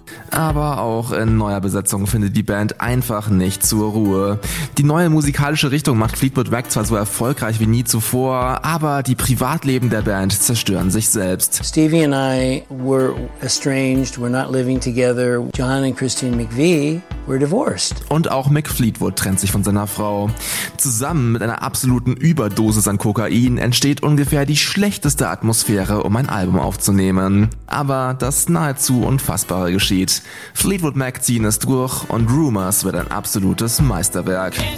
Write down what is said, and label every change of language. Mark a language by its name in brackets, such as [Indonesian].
[German] Aber auch in neuer Besetzung findet die Band einfach nicht zur Ruhe. Die neue musikalische Richtung macht Fleetwood Mac zwar so erfolgreich wie nie zuvor, aber die Privatleben der Band zerstören sich selbst. [English] Stevie and I were estranged, we're not living together. John and Christine McVie were divorced. [German] Und auch Mick Fleetwood trennt sich von seiner Frau. Zusammen mit einer absoluten Überdosis an Kokain entsteht ungefähr die schlechteste Atmosphäre, um ein Album aufzunehmen. Aber das nahezu Unfassbare geschieht. Fleetwood Mac ziehen es durch und Rumors wird ein absolutes Meisterwerk.